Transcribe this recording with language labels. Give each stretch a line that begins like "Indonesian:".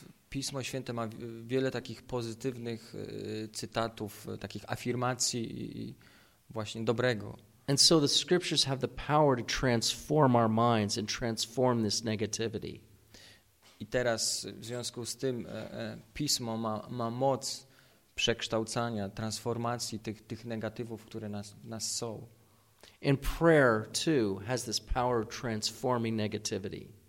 Polish: Pismo Święte ma wiele takich pozytywnych cytatów, takich afirmacji i właśnie dobrego.
English: And so the scriptures have the power to transform our minds and transform this negativity.
Polish: I teraz w związku z tym Pismo ma moc przekształcania, transformacji tych negatywów, które nas są.
English: And prayer too has this power of transforming negativity.